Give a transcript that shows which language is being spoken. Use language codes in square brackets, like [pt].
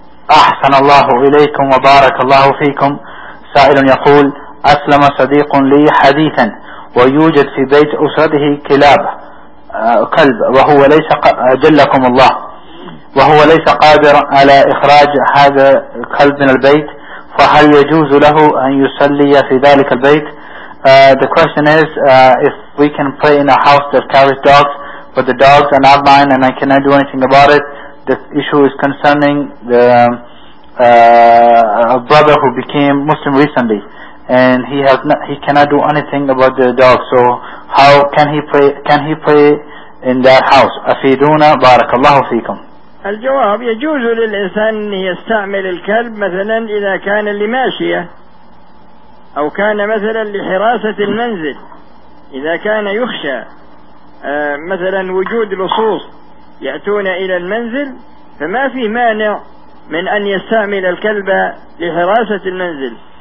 [ar] أحسن الله إليكم وبارك الله فيكم. سائل يقول: أسلم صديق لي حديثا ويوجد في بيت أسرته كلب وهو ليس جلكم الله وهو ليس قادر على إخراج هذا الكلب من البيت، فهل يجوز له أن يصلي في ذلك البيت؟ [en] The question is, if we can pray in a house that carries dogs, but the dogs are not mine and I cannot do anything about it. This issue is concerning the a brother who became Muslim recently, and he cannot do anything about the dog. So how can he pray? Can he pray in that house? [ar] أفيدونا بارك الله فيكم. الجواب: يجوز للإنسان أن يستعمل الكلب مثلا إذا كان لماشية أو كان مثلا لحراسة المنزل، إذا كان يخشى مثلا وجود لصوص يأتون إلى المنزل، فما في مانع من أن يستعمل الكلب لحراسة المنزل.